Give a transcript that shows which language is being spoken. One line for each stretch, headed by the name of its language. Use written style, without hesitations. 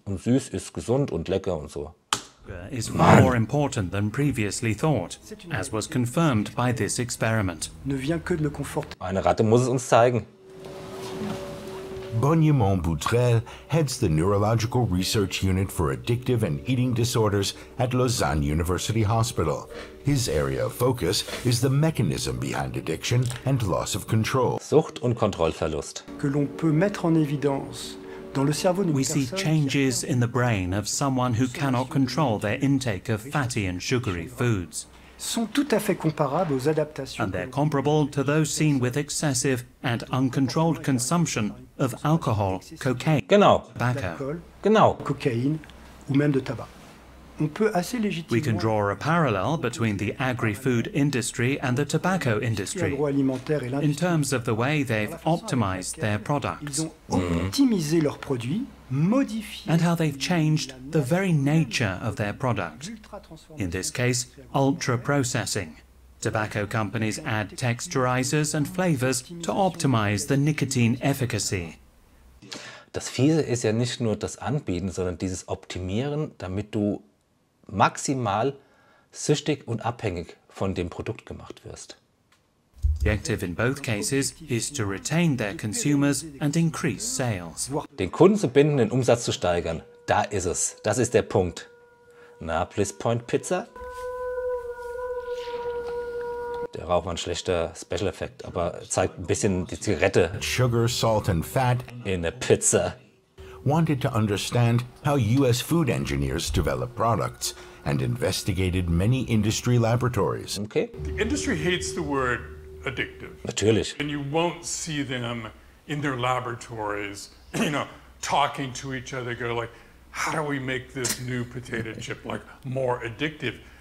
German: Und süß ist gesund und lecker und so.
English: Is far more important than previously thought, as was confirmed by this experiment.
German: Eine Ratte muss es uns zeigen.
English: Bonjamon Boutrel heads the Neurological Research Unit for Addictive and Eating Disorders at Lausanne University Hospital. His area of focus is the mechanism behind addiction and loss of control.
German: Sucht und Kontrollverlust.
French: Que l'on peut mettre en évidence dans le cerveau d'une personne.
English: We see changes in the brain of someone who cannot control their intake of fatty and sugary foods.
French: Sont tout à fait comparables aux adaptations.
English: And they're comparable to those seen with excessive and uncontrolled consumption of alcohol, cocaine,
German: genau.
English: Tobacco,
German: genau.
French: Cocaine, ou même de tabac. On peut assez légitimement.
English: We can draw a parallel between the agri-food industry and the tobacco industry in terms of the way they've optimized their products. And how they've changed the very nature of their product. In this case, ultra-processing. Tobacco companies add texturizers and flavors to optimize the nicotine efficacy.
German: Das Fiese ist ja nicht nur das Anbieten, sondern dieses Optimieren, damit du maximal süchtig und abhängig von dem Produkt gemacht wirst.
English: The objective in both cases is to retain their consumers and increase sales.
German: Den Kunden zu binden, den Umsatz zu steigern. Da ist es. Das ist der Punkt. Na, Bliss Point Pizza? Der Rauch war ein schlechter Special Effekt, aber zeigt ein bisschen die Zigarette.
English: Sugar, salt and fat in a pizza. Wanted to understand how US food engineers develop products and investigated many industry laboratories. Okay. The industry hates the word addictive.
German: Natürlich.
English: And you won't see them in their laboratories, you know, talking to each other, go like, how do we make this new potato chip like more addictive?